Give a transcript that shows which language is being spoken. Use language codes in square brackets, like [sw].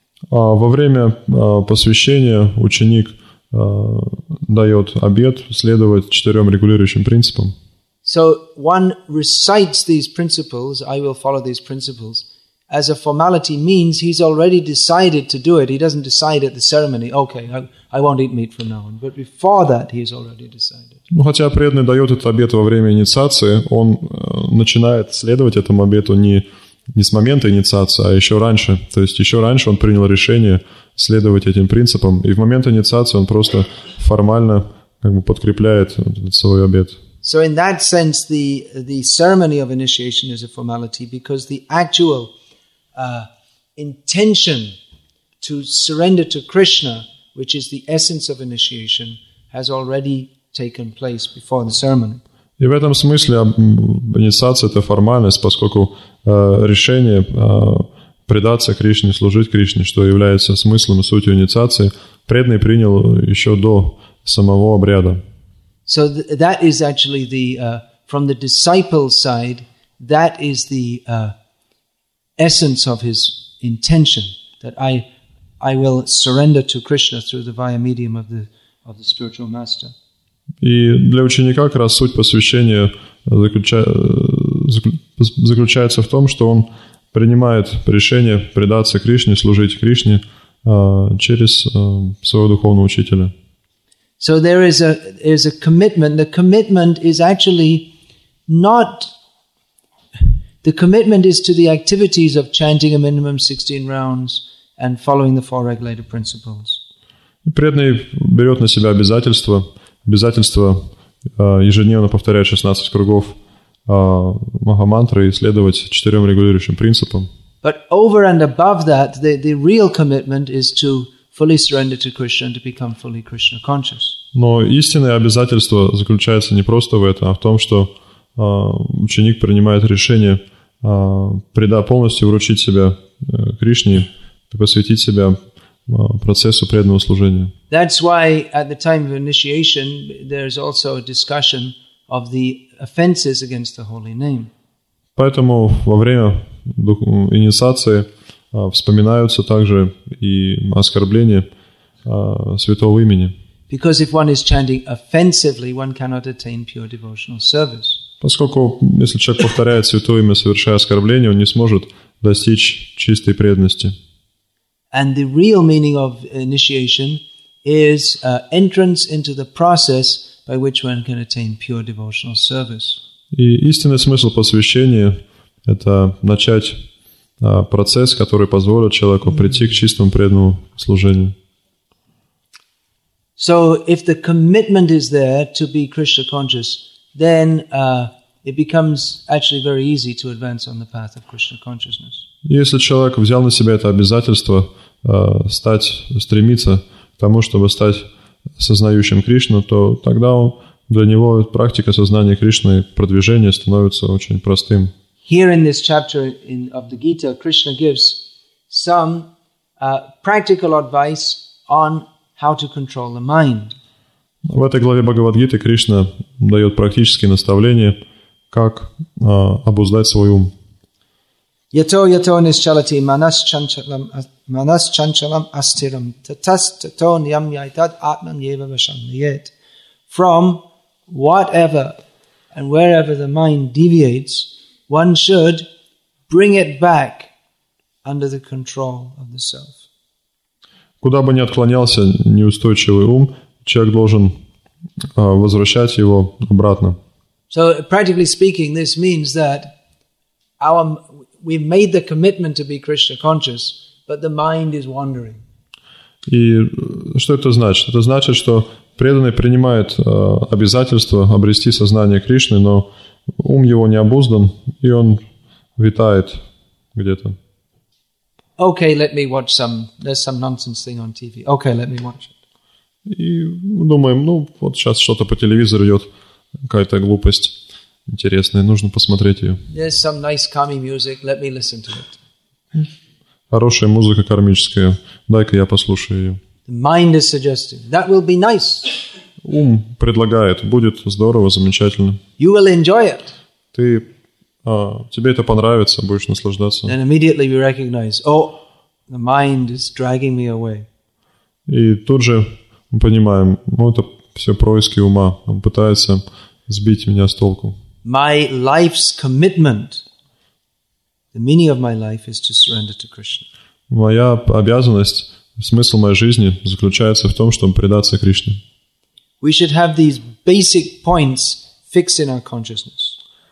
[ru] Во время посвящения ученик дает обет следовать четырем регулирующим принципам. [en] So one recites these principles, I will follow these principles, as a formality means he's already decided to do it. He doesn't decide at the ceremony, okay, I won't eat meat from now on. But before that, he has already decided. [ru] Ну, хотя преданный дает этот обет во время инициации, он начинает следовать этому обету не с момента инициации, а еще раньше. То есть еще раньше он принял решение следовать этим принципам. И в момент инициации он просто формально как бы подкрепляет свой обет. [en] So in that sense, the ceremony of initiation is a formality because the actual intention to surrender to Krishna, which is the essence of initiation, has already taken place before the ceremony. [ru] И в этом смысле инициация – это формальность, поскольку решение предаться Кришне, служить Кришне, что является смыслом и сутью инициации, преданный принял еще до самого обряда. [en] So that is actually the, from the disciple side, that is the essence of his intention, that I will surrender to Krishna through the via medium of the spiritual master. [ru] И для ученика как раз суть посвящения заключается в том, что он принимает решение предаться Кришне, служить Кришне через своего духовного учителя. [en] So there is a commitment. The commitment is actually not... The commitment is to the activities of chanting a minimum 16 rounds and following the four regulated principles. [ru] Преданный берет на себя обязательство, обязательство ежедневно повторять 16 кругов Махамантры и следовать четырем регулирующим принципам. [en] But over and above that, the real commitment is to fully surrender to Krishna and to become fully Krishna conscious. [ru] Но истинное обязательство заключается не просто в этом, а в том, что ученик принимает решение полностью вручить себя Кришне и посвятить себя процессу преданного служения. [en] That's why at the time of initiation there is also a discussion of the offenses against the holy name. [ru] Поэтому во время инициации вспоминаются также и оскорбления святого имени. [en] Because if one is chanting offensively, one cannot attain pure devotional service. [ru] Поскольку если человек повторяет святое имя, совершая оскорбление, он не сможет достичь чистой преданности. [en] And the real meaning of initiation is entrance into the process by which one can attain pure devotional service. [ru] И истинный смысл посвящения – это начать процесс, который позволит человеку прийти к чистому преданному служению. [en] So if the commitment is there to be Krishna conscious, then it becomes actually very easy to advance on the path of Krishna consciousness. [ru] Если человек взял на себя это обязательство стать, стремиться к тому, чтобы стать сознающим Кришну, то тогда он, для него практика сознания Кришны, продвижение становится очень простым. [en] Here in this chapter in, of the Gita, Krishna gives some practical advice on how to control the mind. [ru] В этой главе Бхагавад-гиты Кришна дает практические наставления, как обуздать свой ум. [sa] Yato yato nischalati manas chanchalam astiram tatas tato niyam yaitat atman yeva vashamniyet. [en] From whatever and wherever the mind deviates, one should bring it back under the control of the self. [ru] Куда бы ни отклонялся неустойчивый ум, человек должен возвращать его обратно. [en] So, practically speaking, this means that our we've made the commitment to be Krishna conscious, but the mind is wandering. [ru] И что это значит? Это значит, что преданный принимает обязательство обрести сознание Кришны, но ум его не обуздан, и он витает где-то. [en] Okay, let me watch some. There's some nonsense thing on TV. Okay, let me watch it. [ru] И думаем, ну вот сейчас что-то по телевизору идет, какая-то глупость интересная, нужно посмотреть ее. [en] There's some nice calming music. Let me listen to it. [ru] Хорошая музыка кармическая. Дай-ка я послушаю ее. [en] The mind is suggesting that will be nice. [ru] Ум предлагает, будет здорово, замечательно. [en] You will enjoy it. [ru] Ты тебе это понравится, будешь наслаждаться. [en] And immediately we recognize, oh, the mind is dragging me away. [ru] И тут же мы понимаем, ну это все происки ума, он пытается сбить меня с толку. [en] My life's commitment, the meaning of my life is to surrender to Krishna. [ru] Моя обязанность, смысл моей жизни заключается в том, чтобы предаться Кришне. [en] We should have these basic points fixed in our consciousness.